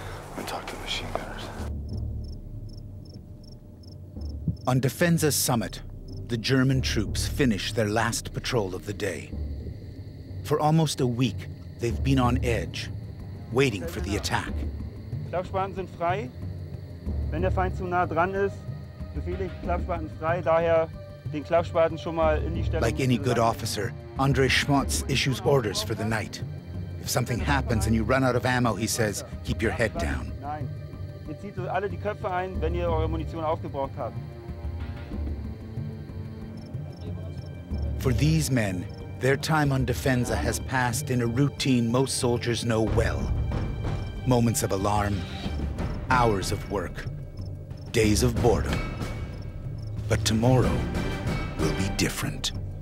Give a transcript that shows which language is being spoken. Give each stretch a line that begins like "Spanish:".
English: I'm going to talk to the machine gunners. On Defensa's summit, the German troops finish their last patrol of the day. For almost a week, they've been on edge, waiting for the attack.
German: Klappspaten sind frei. Wenn der Feind zu nah dran ist, befehle ich Klappspaten frei. Daher den Klappspaten schon mal in die Stellung.
English: Like any good officer, André Schmotz issues orders for the night. If something happens and you run out of ammo, he says, keep your head down.
German: Nein, ihr zieht alle die Köpfe ein, wenn ihr eure Munition aufgebraucht habt.
English: For these men, their time on Defensa has passed in a routine most soldiers know well. Moments of alarm, hours of work, days of boredom. But tomorrow will be different.